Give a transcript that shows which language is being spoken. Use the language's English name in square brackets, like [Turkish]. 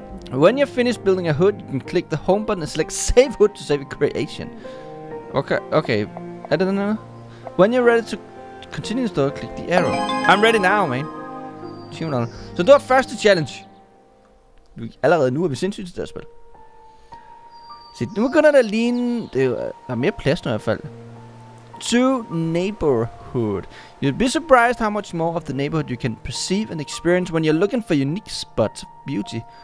[English] When you finish building a hood, you can click the home button and select save hood to save a creation. Okay. [Danish] Er det den her? [English] When you're ready to continue the story, click the arrow. I'm ready now, man. [Danish] Så du har første challenge. Allerede nu er vi sindssygt til det spil. Se, nu begynder det at ligne. Der er mere plads nu i hvert fald. [English] To neighborhood. You'd be surprised how much more of the neighborhood you can perceive and experience when you're looking for unique spots of beauty.